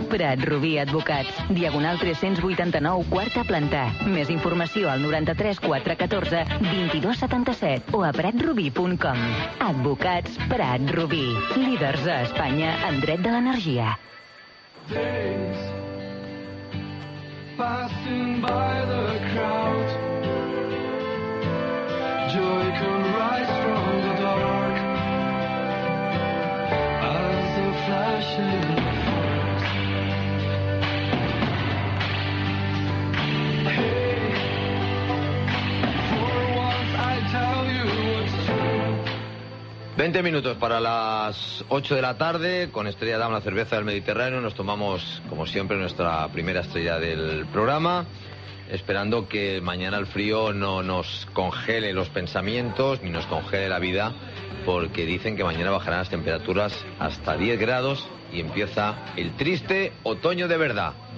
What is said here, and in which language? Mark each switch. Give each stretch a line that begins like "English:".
Catalan: Prat Rubí Advocats, Diagonal 389, quarta planta. Més informació al 93 414 2277 o a pratrubí.com. Advocats Prat Rubí, líders a Espanya en dret de l'energia.
English: Thanks. Passing by the crowd, joy can rise from the dark as the flashing forks. Hey, for once I tell you what's true.
Spanish: 20 minutos para las 8 de la tarde, con Estrella Damm, la cerveza del Mediterráneo. Nos tomamos, como siempre, nuestra primera estrella del programa, esperando que mañana el frío no nos congele los pensamientos ni nos congele la vida, porque dicen que mañana bajarán las temperaturas hasta 10 grados y empieza el triste otoño de verdad.